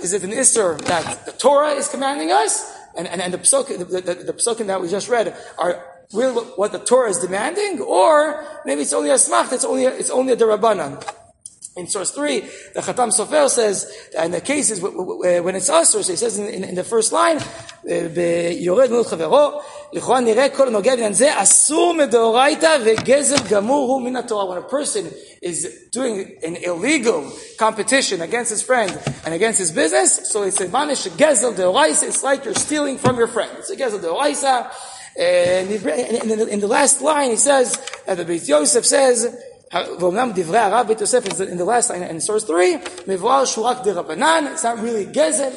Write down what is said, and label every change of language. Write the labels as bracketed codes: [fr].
[en] Is it an isur that the Torah is commanding us? And the psukim, the psukim that we just read are really what the Torah is demanding? Or maybe it's only a smacht, it's only a derabbanan. In source 3, the Chatam Sofer says, in the cases when it's us, or he says in the first line, [he] יורד מול חברו, לכאורה נראה כל הנוגע בעניין זה, אסור מדאורייתא וגזל גמור הוא מן התורה. [en] When a person is doing an illegal competition against his friend and against his business, so it's a manish gezel deoraisa, it's like you're stealing from your friend. It's a gezel deoraisa. In the last line he says, the Beit Yosef says, [he] ואומנם דברי הרב בית יוסף [en] in the last line in source 3, [he] מבואר שהוא רק דרבנן, [en] it's not really gezel.